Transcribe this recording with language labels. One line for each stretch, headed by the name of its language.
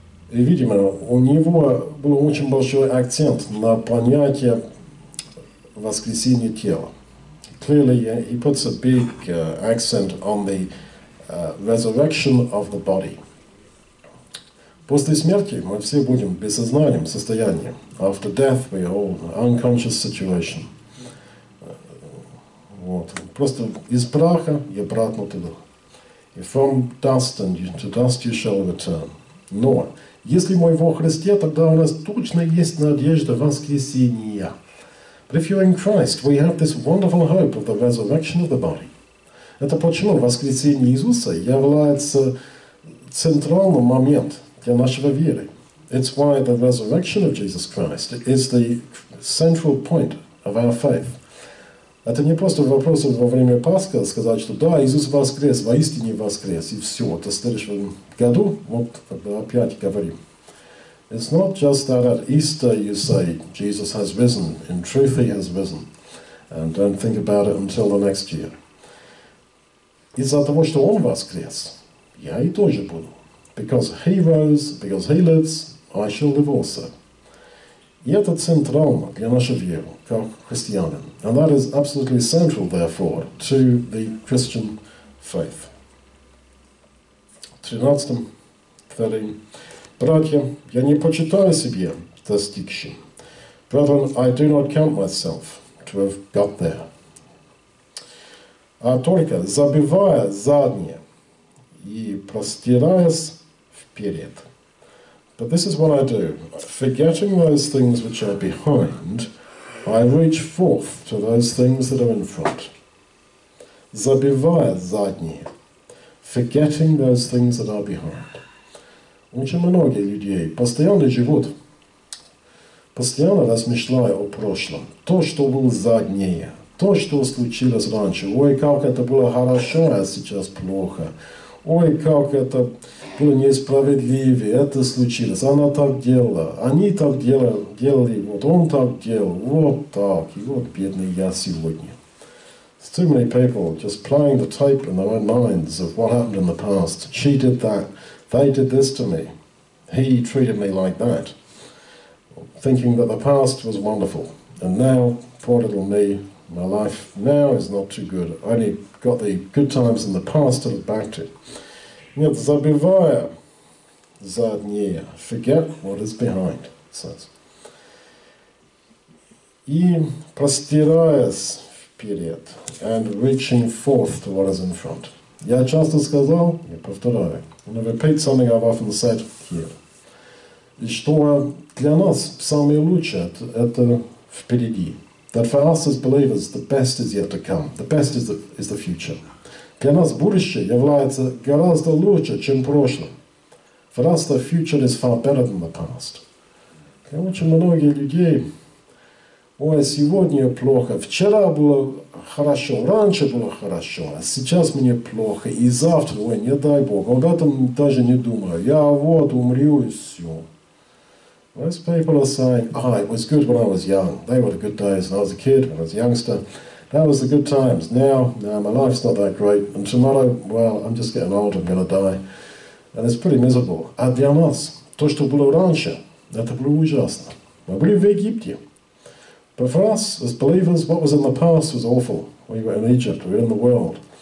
Russian: И, видимо, у него был очень большой акцент на понятие воскресения тела.
English: Clearly, he puts a big accent on the resurrection of the body.
Russian: После смерти мы все будем в бессознательном состоянии.
English: After death, we are all unconscious situation.
Russian: Вот. Просто из праха и обратно туда.
English: From dust and to dust you shall return.
Russian: Но, если мы во Христе, тогда у нас точно есть надежда воскресения.
English: But if you're in Christ, we have this wonderful hope of the resurrection of the body.
Russian: Это почему воскресение Иисуса является центральным моментом для нашего веры.
English: It's why the resurrection of Jesus Christ is the central point of our faith.
Russian: Это не просто вопрос во время Пасхи сказать, что да, Иисус воскрес, воистине воскрес, и все, это в следующем году, вот опять говорим.
English: It's not just that at Easter you say, Jesus has risen, in truth He has risen, and don't think about it until the next year.
Russian: Из-за того, что Он воскрес, я и тоже буду.
English: Because He rose, because He lives, I shall live also.
Russian: И это центрально для нашей веры, как христианин.
English: And that is absolutely central, therefore, to the Christian faith.
Russian: 13. Братья, я не почитаю себя достигшим.
English: Brethren, I do not count myself to have got there.
Russian: А только забывая заднее и простираясь вперед.
English: But this is what I do. Forgetting those things which are behind, I reach forth to those things that are in front.
Russian: Забывая заднее.
English: Forgetting those things that are behind.
Russian: Очень многие люди постоянно живут, постоянно размышляя о прошлом. То, что было заднее, то, что случилось раньше, ой, как это было хорошо, а сейчас плохо, ой, как это было несправедливо, это случилось, она так делала, они так делали, вот он так делал, вот так, и вот бедный я сегодня.
English: It's too many people just playing the tape in their own minds of what happened in the past. She did that, they did this to me, he treated me like that. Thinking that the past was wonderful, and now, poor little me, my life now is not too good. I only got the good times in the past to look back to.
Russian: Нет, забывая заднее,
English: forget what is behind, it says.
Russian: И простираясь вперед,
English: and reaching forth to what is in front.
Russian: Я часто сказал, я повторяю.
English: And I repeat something I've often said here.
Russian: И что для нас самое лучшее, это впереди.
English: That for us as believers, the best is yet to come. The best is the future.
Russian: Для нас будущее является гораздо лучше, чем прошлое.
English: For us, the future is far better than the past. Okay?
Russian: Очень многие люди, ой, сегодня плохо, вчера было хорошо, раньше было хорошо, а сейчас мне плохо, и завтра, ой, не дай Бог, об этом даже не думаю. Я вот умру и все.
English: Most people are saying, ah, oh, it was good when I was young. They were the good days when I was a kid, when I was a youngster. That was the good times. Now, my life's not that great. And tomorrow, well, I'm just getting old, I'm going to die. And it's pretty miserable.
Russian: А для нас, то, что было раньше, это было ужасно. Мы были в Египте.
English: But for us, as believers, what was in the past was awful. We were in Egypt, we were in the world.